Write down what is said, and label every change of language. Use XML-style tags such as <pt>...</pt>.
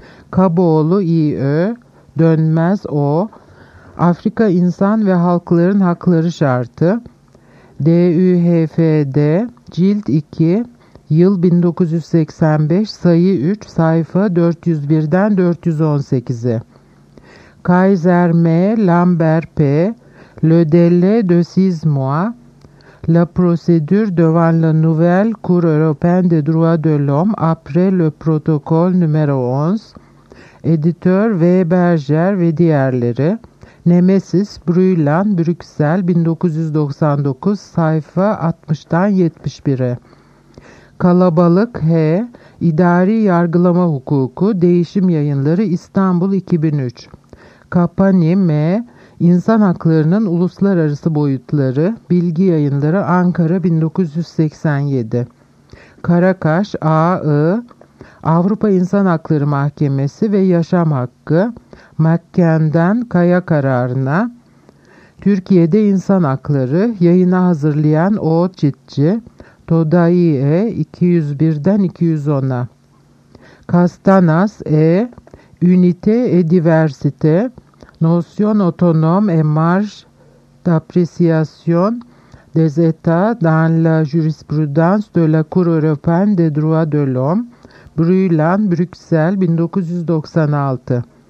<tr>Kaboğlu İÖ, Dönmez O, Afrika İnsan ve Halkların Hakları Şartı, DÜHFD, Cilt 2, Yıl 1985, Sayı 3, Sayfa 401-418'e.</tr> <fr>Kaiser M, Lambert P, Le Délai de 6 mois, La procédure devant la nouvelle Cour européenne des droits de l'homme après le protocole numéro 11, Editör V.</fr> <tr>Berger ve diğerleri, Nemesis Brûlant, Brüksel 1999, sayfa 60-71'e. Kalabalık H, İdari Yargılama Hukuku, Değişim Yayınları, İstanbul 2003. Kapani M, İnsan Haklarının Uluslararası Boyutları, Bilgi Yayınları, Ankara 1987. Karakaş A, I, Avrupa İnsan Hakları Mahkemesi ve Yaşam Hakkı, Mekken'den Kaya Kararına, Türkiye'de İnsan Hakları, yayına hazırlayan O. Çitçi, Todaiye 201-210'a.</tr> <fr>Kastanas E, Unité et Diversité, Notion Autonome et Marge d'Appréciation des États dans la Jurisprudence de la Cour Européenne des Droits de l'Homme, Brûlant, Brüksel 1996.</fr>